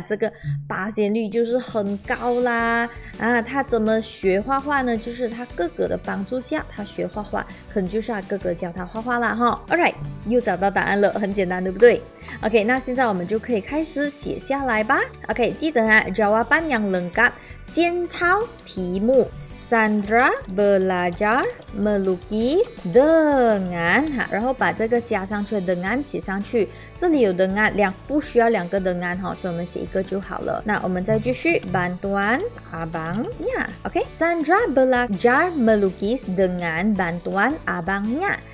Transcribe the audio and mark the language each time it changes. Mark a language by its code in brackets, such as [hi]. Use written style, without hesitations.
[zh] 这个发现率就是很高啦啊！他怎么学画画呢？就是他哥哥的帮助下，他学画画，可能就是他哥哥教他画画啦哈。 All right， 又找到答案了，很简单，对不对 ？OK， 那现在我们就可以开始写下来吧。 OK， 记得啊 ， [ms] jawaban yang lengkap， [zh] 先抄题目。 [ms] Sandra belajar melukis dengan， [zh] 然后把这个加上去 [ms] ，dengan 写上去。 [zh] 这里有 dengan， 两不需要两个 dengan 哈，所以我们写一个就好了。那我们再继续 [ms] bantuan abang nya， [zh] OK， [ms] Sandra belajar melukis dengan bantuan abang nya。